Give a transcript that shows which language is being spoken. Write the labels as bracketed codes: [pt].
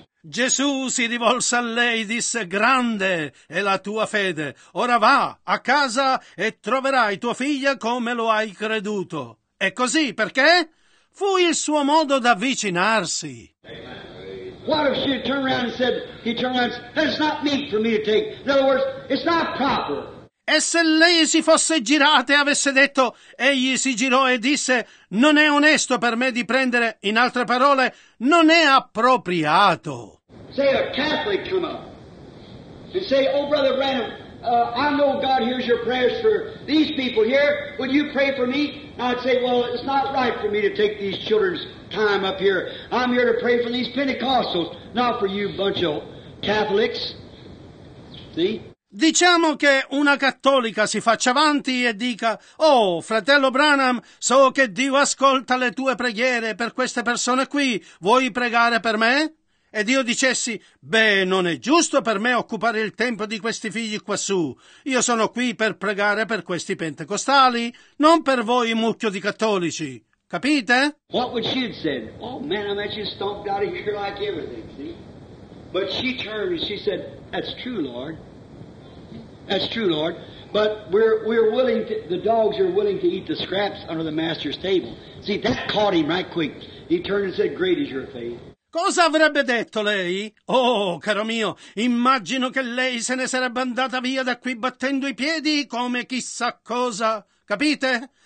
[it] Gesù si rivolse a lei e disse, grande è la tua fede, ora va a casa e troverai tua figlia come lo hai creduto. E così, perché? Fu il suo modo d'avvicinarsi. [en] What if she turned around and said, he turned around and said, that's not meat for me to take. In other words, it's not proper. [it] E se lei si fosse girata e avesse detto, egli si girò e disse, non è onesto per me di prendere, in altre parole, non è appropriato. [en] Say a Catholic come up and say, oh brother Branham, I know God hears your prayers for these people here. Would you pray for me? And I'd say, well, it's not right for me to take these children's time up here. I'm here to pray for these Pentecostals, not for you bunch of Catholics. See? [it] Diciamo che una cattolica si faccia avanti e dica, oh, fratello Branham, so che Dio ascolta le tue preghiere per queste persone qui, vuoi pregare per me? Ed io dicessi, beh, non è giusto per me occupare il tempo di questi figli quassù, io sono qui per pregare per questi pentecostali, non per voi mucchio di cattolici, capite? [en] What would she have said? Oh man, I'm actually stomped out of here like everything, see? But she turned and she said, that's true, Lord. That's true, Lord. But we're willing to, the dogs are willing to eat the scraps under the master's table. See, that caught him right quick. He turned and said, great is your faith. [it] Cosa avrebbe detto lei? Oh, caro mio, immagino che lei se ne sarebbe andata via da qui battendo i piedi come chissà cosa. Capite?